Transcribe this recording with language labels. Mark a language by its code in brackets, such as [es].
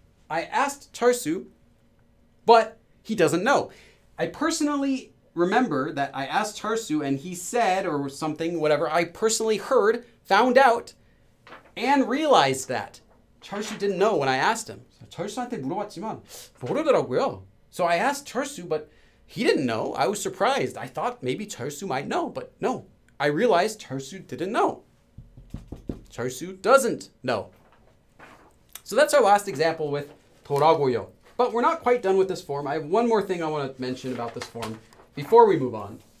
[en] I asked Charsu, but he doesn't know. I personally remember that I asked Charsu and he said or something, whatever, I personally heard, found out, and realized that Charsu didn't know when I asked him. [ko] So, 철수한테 물어봤지만 모르더라고요. [en] So I asked Charsu, but he didn't know. I was surprised. I thought maybe Charsu might know, but no. I realized Charsu didn't know. Charsu doesn't know. So that's our last example with 돌아고요. But we're not quite done with this form. I have one more thing I want to mention about this form before we move on.